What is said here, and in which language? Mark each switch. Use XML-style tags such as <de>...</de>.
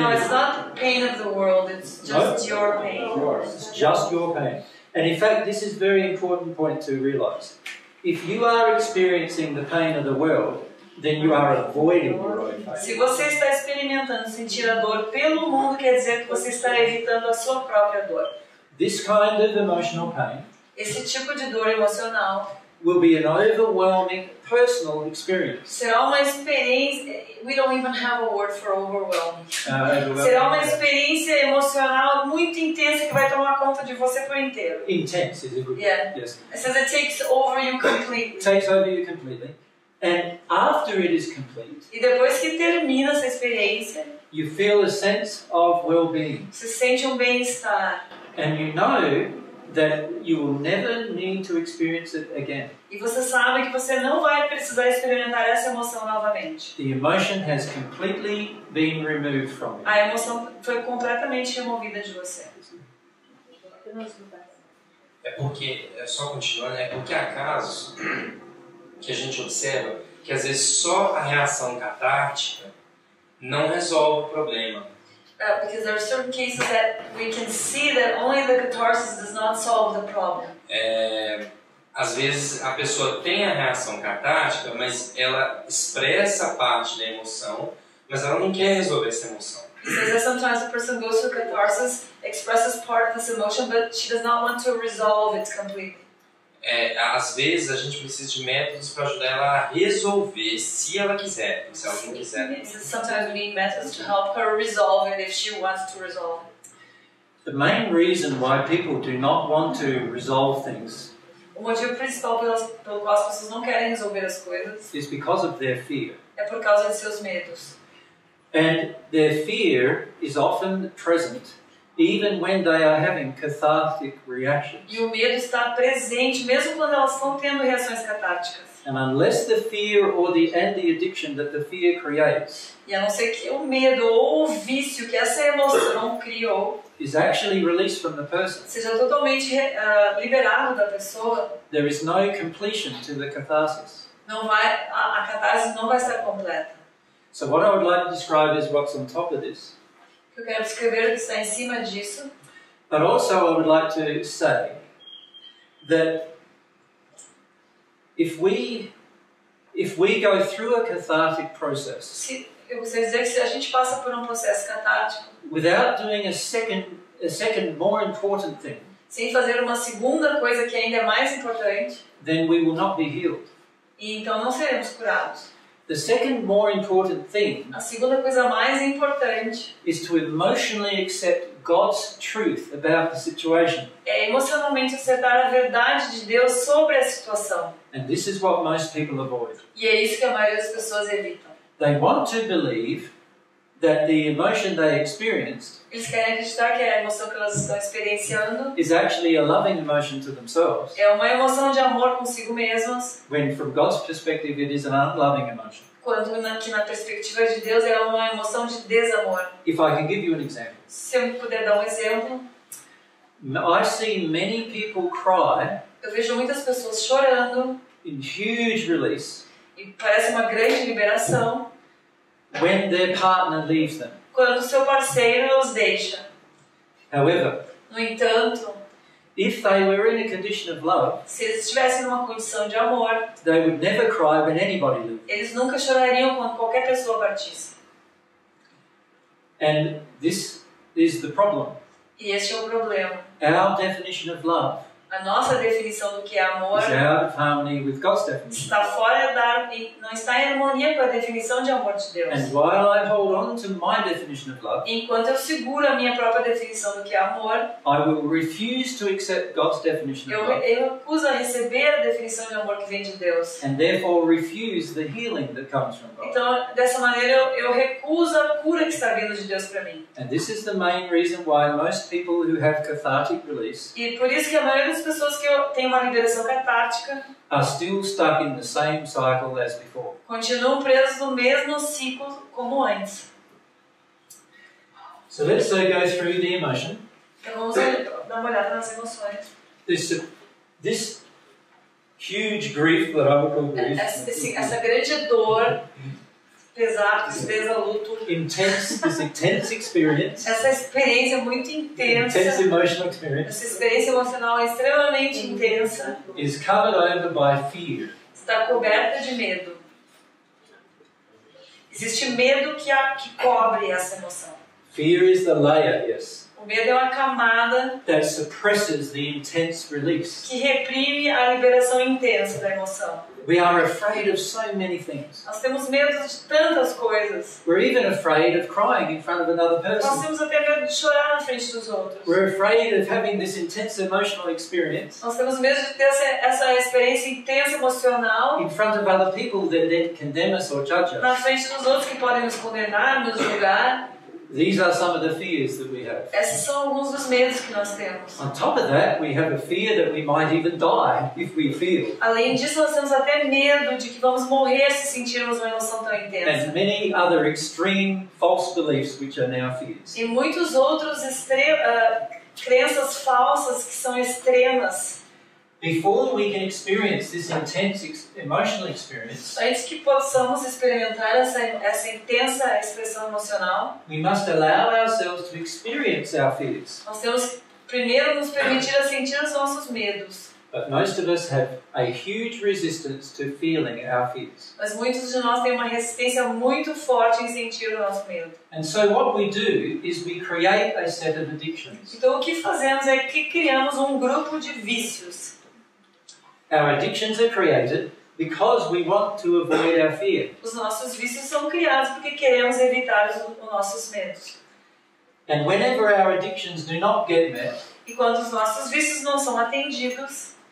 <en>No, it's not the pain of the world, it's just your pain. It's just your pain. And in fact, this is a very important point to realize. If you are experiencing the pain of the world, then you are avoiding your own pain.</en> <pt>Se você está experimentando sentir a dor pelo mundo, quer dizer que você está evitando a sua própria dor.</pt> <en>This kind of emotional pain,</en> <pt>esse tipo de dor emocional,</pt> <en>will be an overwhelming personal experience.</en> <pt>Será uma experiência.</pt> <en>We don't even have a word for overwhelming.</en> <pt>Será uma experiência emocional muito intensa que vai tomar conta de você por inteiro.</pt> <en>Intense is a good word. Yes. It says it takes over you completely. Takes over you completely. And after it is complete,</en> <pt>e depois que termina essa experiência,</pt> <en>you feel a sense of well-being.</en> <pt>Você sente bem-estar.</pt> <en>And you know that you will never need to experience it again.</en> <pt>E você sabe que você não vai precisar experimentar essa emoção novamente.</pt> <en>The emotion has completely been removed from you.</en> <pt>A emoção foi completamente removida de você. É porque, só continuando, é porque há casos que a gente observa que às vezes só a reação catártica não resolve o problema.</pt> <en>Because there are certain cases that we can see that only the catharsis does not solve the problem.</en> <pt>Às vezes a pessoa tem a reação catártica, mas ela expressa parte da emoção, mas ela não quer resolver essa emoção. E</pt> <en>says that sometimes a person goes through catharsis, expresses part of this emotion, but she does not want to resolve it completely.</en> <pt>É, às vezes a gente precisa de métodos para ajudar ela a resolver, se ela quiser, se ela não quiser.</pt> <en>Sometimes we need methods to help her resolve it if she wants to resolve it. The main reason why people do not want to resolve things.</en> <pt>O motivo principal pelo qual as pessoas não querem resolver as coisas.</pt> <en>Is because of their fear.</en> <pt>É por causa de seus medos.</pt> <en>And their fear is often present. Even when they are having cathartic reactions.</en> <pt>E o medo está presente mesmo quando elas estão tendo reações catárticas.</pt> <en>And unless the fear or the addiction that the fear creates.</en> <pt>E a não ser que o medo ou o vício que essa emoção criou.</pt> <en>Is actually released from the person.</en> <pt>Seja totalmente liberado da pessoa.</pt> <en>There is no completion to the catharsis.</en> <pt>Não vai, a catarse não vai estar completa.</pt> <en>So what I would like to describe is what's on top of this.</en> <pt>Eu quero descrever o que está em cima disso.</pt> <en>But also I would like to say that if we go through a cathartic process,</en> <pt>eu gostaria de dizer que se a gente passa por um processo catártico,</pt> <en>without doing a second more important thing,</en> <pt>sem fazer uma segunda coisa que ainda é mais importante,</pt> <en>then we will not be healed.</en> <pt>E então não seremos curados.</pt> <en>The second more important thing,</en> <pt>a segunda coisa mais importante,</pt> <en>is to emotionally accept God's truth about the situation.</en> <pt>É emocionalmente aceitar a verdade de Deus sobre a situação.</pt> <en>And this is what most people avoid.</en> <pt>E é isso que a maioria das pessoas evitam.</pt> <en>They want to believe that the emotion they experienced,</en> <pt>eles querem acreditar que a emoção que elas estão experienciando,</pt> <en>is actually a loving emotion to themselves.</en> <pt>É uma emoção de amor consigo mesmas.</pt> <en>When from God's perspective it is an unloving emotion.</en> <pt>Quando na perspectiva de Deus é uma emoção de desamor.</pt> <en>If I can give you an example.</en> <pt>Se eu puder dar um exemplo.</pt> <en>I see many people cry.</en> <pt>Eu vejo muitas pessoas chorando.</pt> <en>In huge release.</en> <pt>E parece uma grande liberação.</pt> <en>When their partner leaves them.</en> <pt>Quando seu parceiro os deixa.</pt> <en>However,</en> <pt>no entanto,</pt> <en>if they were in a condition of love,</en> <pt>se eles estivessem numa condição de amor,</pt> <en>they would never cry when anybody leaves.</en> <pt>Eles nunca chorariam quando qualquer pessoa partisse.</pt> <en>And this is the problem.</en> <pt>E este é o problema.</pt> <en>Our definition of love.</en> <pt>A nossa definição do que é amor está fora da, não está em harmonia com a definição de amor de Deus.</pt> <en>And while I hold on to my definition of love,</en> <pt>enquanto eu seguro a minha própria definição do que é amor,</pt> <en>I will refuse to accept God's definition of love.</en> <pt>Eu recuso a receber a definição de amor que vem de Deus.</pt> <en>And therefore refuse the healing that comes from God.</en> <pt>Então, dessa maneira, eu recuso a cura que está vindo de Deus para mim.</pt> <en>And this is the main reason why most people who have cathartic release.</en> <pt>E por isso que a maioria das pessoas que têm uma liberação catártica</pt> <en>are still stuck in the same cycle as before.</en> <pt>Continuam presos no mesmo ciclo como antes.</pt> <en>So let's say go through the emotion.</en> <pt>Então vamos dar uma olhada nas emoções.</pt> <en>This huge grief that I would call grief.</en> <pt>Essa grande dor. Pesar, luto.</pt> <en>This intense experience.</en> <pt>Essa experiência muito intensa.</pt> <en>Intense emotional experience.</en> <pt>Essa experiência emocional extremamente intensa.</pt> <en>Is covered over by fear.</en> <pt>Está coberta de medo. Existe medo que cobre essa emoção.</pt> <en>Fear is the layer, yes.</en> <pt>O medo é uma camada</pt> <en>that suppresses the intense release.</en> <pt>Que reprime a liberação intensa da emoção.</pt> <en>We are afraid of so many things.</en> <pt>Nós temos medo de tantas coisas.</pt> <en>We're even afraid of crying in front of another person.</en> <pt>Nós temos até medo de chorar na frente dos outros.</pt> <en>We're afraid of having this intense emotional experience.</en> <pt>Nós temos medo de ter essa experiência intensa emocional.</pt> <en>In front of other people that then condemn us or judge us.</en> <pt>Na frente dos outros que podem nos condenar, nos julgar.</pt> <en>These are some of the fears that we have.</en> <pt>Esses são alguns dos medos que nós temos.</pt> <en>On top of that, we have a fear that we might even die if we feel.</en> <pt>Além disso, nós temos até medo de que vamos morrer se sentirmos uma emoção tão intensa.</pt> <en>And many other extreme false beliefs which are now fears.</en> <pt>E muitos outros crenças falsas que são extremas.</pt> <en>Before we can experience this intense emotional experience,</en> <pt>antes que possamos experimentar essa intensa expressão emocional,</pt> <en>we must allow ourselves to experience our fears.</en> <pt>Nós temos primeiro nos permitir a sentir os nossos medos.</pt> <en>But most of us have a huge resistance to feeling our fears.</en> <pt>Mas muitos de nós têm uma resistência muito forte em sentir o nosso medo.</pt> <en>And so what we do is we create a set of addictions.</en> <pt>Então o que fazemos é que criamos grupo de vícios.</pt> <en>Our addictions are created because we want to avoid our fear.</en> <pt>Os nossos vícios são criados porque queremos evitar os nossos medos.</pt> <en>And whenever our addictions do not get met,</en> <pt>e quando os nossos vícios não são atendidos,</pt>